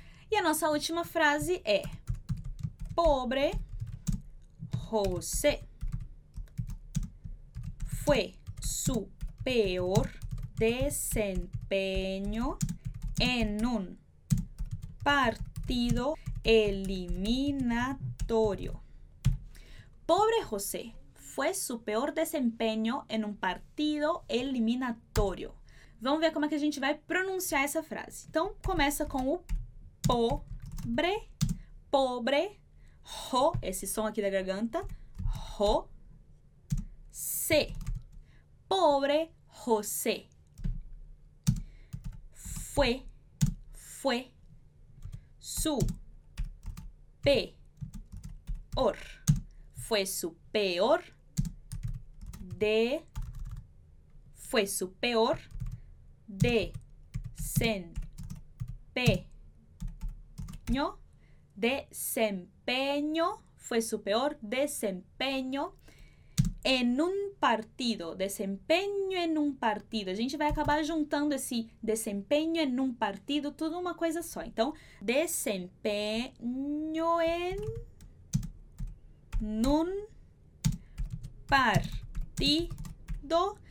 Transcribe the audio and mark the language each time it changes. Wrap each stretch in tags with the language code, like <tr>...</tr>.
<pt>E a nossa última frase é:</pt> <es>pobre José fue su peor desempeño en un partido eliminatorio. Pobre José fue su peor desempeño en un partido eliminatorio.</es> <pt>Vamos ver como é que a gente vai pronunciar essa frase. Então, começa com o pobre, pobre, ro, esse som aqui da garganta, ro, se, pobre José.</pt> <es>Fue su peor. Fue su peor de. Fue su peor desempeño. Desempeño. Fue su peor desempeño en un partido.</es> <pt>Desempeño en un partido. A gente vai acabar juntando esse</pt> <es>desempeño en un partido</es> <pt>tudo uma coisa só. Então,</pt> <es>desempeño en un partido.</es>